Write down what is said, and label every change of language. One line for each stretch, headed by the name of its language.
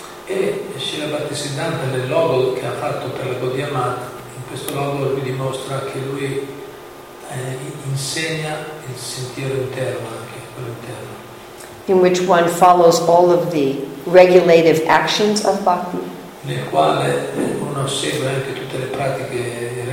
Italian: E Srila Bhaktisiddhanta nel logo che ha fatto per la Gaudiya Math, in questo logo lui dimostra che lui insegna il sentiero interno, anche quello interno.
English: In which one follows all of the regulative actions of bhakti.
Italian: Nel quale uno segue anche tutte le pratiche.